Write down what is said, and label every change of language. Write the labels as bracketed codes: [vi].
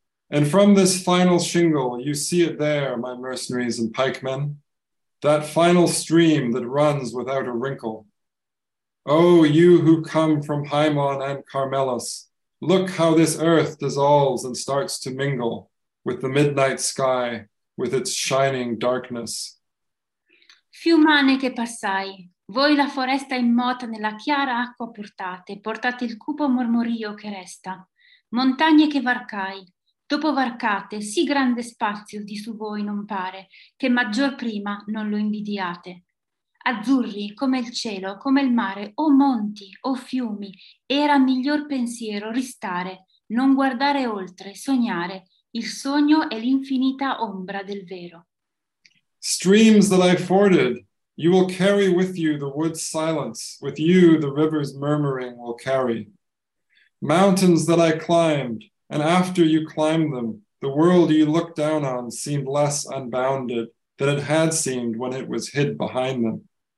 [en] And from this final shingle, you see it there, my mercenaries and pikemen, that final stream that runs without a wrinkle. Oh, you who come from Haimon and Carmelos, look how this earth dissolves and starts to mingle with the midnight sky, with its shining darkness. [it] Fiumane che passai, voi la foresta immota nella chiara acqua portate, portate il cupo mormorio che resta. Montagne che varcai, dopo varcate, sì grande spazio di su voi non pare, che maggior prima non lo invidiate. Azzurri, come il cielo, come il mare, o monti, o fiumi, era miglior pensiero ristare, non guardare oltre, sognare, il sogno è l'infinita ombra del vero. [en] Streams that I forded, you will carry with you the wood's silence, with you the river's murmuring will carry. Mountains that I climbed, and after you climbed them, the world you looked down on seemed less unbounded than it had seemed when it was hid behind them.